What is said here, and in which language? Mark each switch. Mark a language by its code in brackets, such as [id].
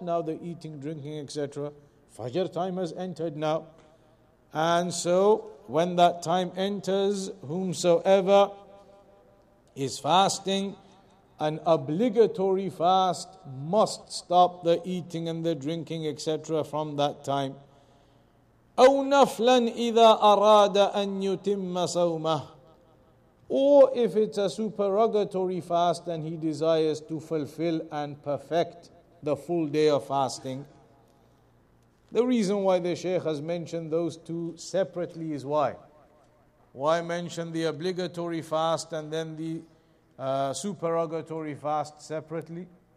[en] Now the eating, drinking, etc. Fajr time has entered now. And so when that time enters, whomsoever is fasting, an obligatory fast must stop the eating and the drinking, etc. from that time. [ar] أَوْ نَفْلًا إِذَا أَرَادَ أَنْ يُتِمَّ صَوْمَهُ. [en] Or if it's a supererogatory fast and he desires to fulfill and perfect the full day of fasting. The reason why the Shaykh has mentioned those two separately is why? Why mention the obligatory fast and then the supererogatory fast separately?